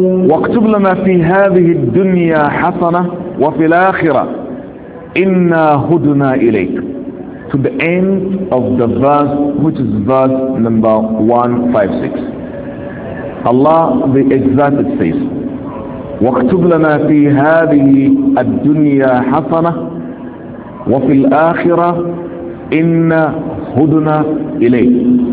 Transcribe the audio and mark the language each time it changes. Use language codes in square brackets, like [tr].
[ar] واكتب لنا في هذه الدنيا حسنة وفي الآخرة إنا هدنا إليك. [en] To the end of the verse, which is verse number 156. Allah the Exalted says, [ar] واكتب لنا في هذه الدنيا حسنة وفي الآخرة إنا هدنا إليك.